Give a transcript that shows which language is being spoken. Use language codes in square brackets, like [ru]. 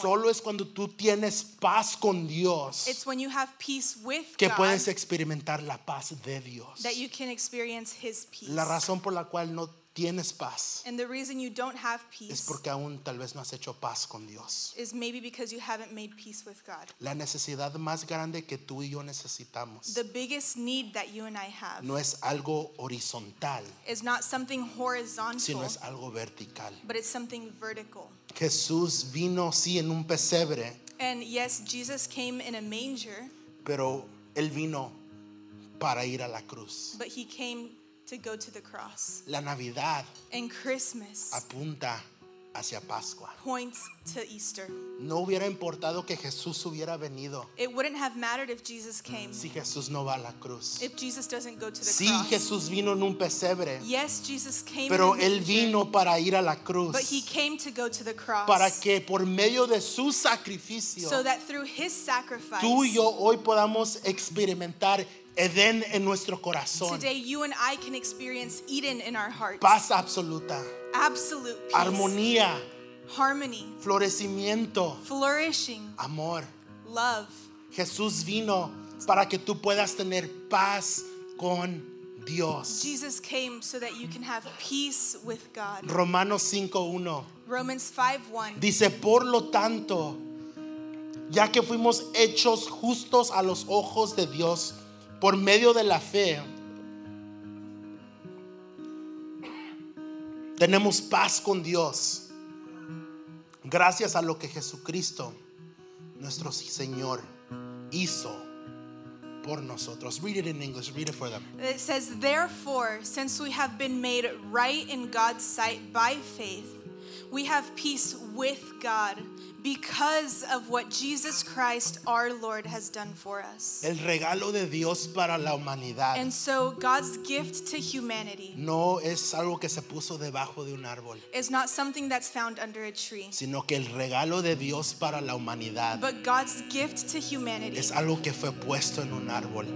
[es] Solo es cuando tú tienes paz con Dios. [en] It's when you have peace with [es] que [en] God. [es] Que puedes experimentar la paz de Dios. [en] That you can experience his peace. [es] La razón por la cual no tienes paz. [en] And the reason you don't have peace. [es] Es porque aún tal vez no has hecho paz con Dios. [en] Is maybe because you haven't made peace with God. [es] La necesidad más grande que tú y yo necesitamos. [en] The biggest need that you and I have. [es] No es algo horizontal. [en] Is not something horizontal. [es] Sino es algo vertical. [en] But it's something vertical. [es] Jesús vino, sí, en un pesebre. [en] And yes, Jesus came in a manger. [es] Pero él vino para ir a la cruz. [en] But he came to go to the cross. [es] La Navidad [en] and Christmas [es] apunta hacia Pascua. [en] Points to Easter. [es] No hubiera importado que Jesús hubiera venido. [en] It wouldn't have mattered if Jesus came. [es] Si Jesús no va a la cruz. [en] If Jesus doesn't go to the cross. [es] Si Jesús vino en un pesebre. [en] Yes, Jesus came. [es] Pero él vino para ir a la cruz. [en] But he came to go to the cross. [es] Para que por medio de su sacrificio. [en] So that through his sacrifice. [es] Tú y yo hoy podamos experimentar Edén en nuestro corazón. [en] Today you and I can experience Eden in our hearts. [es] Paz absoluta. [en] Absolute peace. [es] Armonía. [en] Harmony. [es] Florecimiento. [en] Flourishing. [es] Amor. [en] Love. [es] Jesús vino para que tú puedas tener paz con Dios. [en] Jesus came so that you can have peace with God. [es] Romanos 5:1. [en] Romans 5:1. [es] Dice, por lo tanto, ya que fuimos hechos justos a los ojos de Dios por medio de la fe, tenemos paz con Dios gracias a lo que Jesucristo, nuestro Señor, hizo por nosotros. [en] Read it in English. Read it for them. It says, therefore, since we have been made right in God's sight by faith, we have peace with God because of what Jesus Christ our Lord has done for us. [es] El regalo de Dios para la humanidad. [en] And so God's gift to humanity. [es] No es algo que se puso debajo de un árbol. [en] It's not something that's found under a tree. [es] Sino que el regalo de Dios para la humanidad. [en] But God's gift to humanity. [es] Es algo que fue puesto en un árbol.